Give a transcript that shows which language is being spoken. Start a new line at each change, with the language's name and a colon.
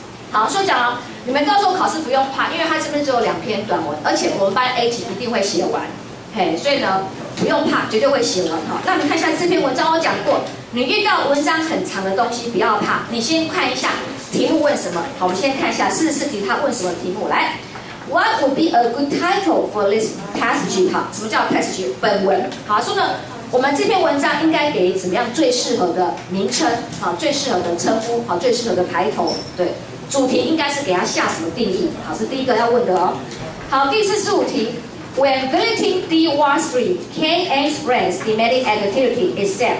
Chinese: 好，说讲哦，你们到时候考试不用怕，因为它这边只有两篇短文，而且我们班 A 级一定会写完，嘿，所以呢不用怕，绝对会写完哈。那你看一下这篇文章，我讲过，你遇到文章很长的东西不要怕，你先看一下题目问什么。好，我们先看一下44题，他问什么题目来。
English: What would be a good title for this passage?
Chinese: 好，什么叫 passage? 本文。好，说呢，我们这篇文章应该给怎么样最适合的名称？好，最适合的称呼？好，最适合的抬头？对，主题应该是给它下什么定义？好，是第一个要问的哦。好，第45题 ，
English: When visiting the Wall Street, Ken and friends demanded activity is set.